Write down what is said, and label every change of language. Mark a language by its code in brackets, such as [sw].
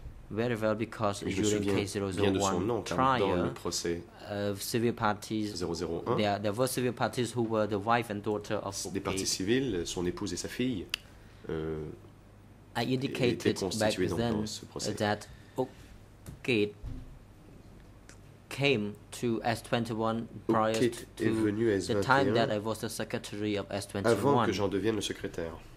[en] Very well, because during case 001 trial of civil parties, 001, there were civil parties who were the wife and daughter of [fr] des parties civiles, son épouse et sa fille. [en] I indicated back then that Okate came to S21 prior to S21 the time that I was the secretary of S21. [fr] Avant que j'en devienne le secrétaire.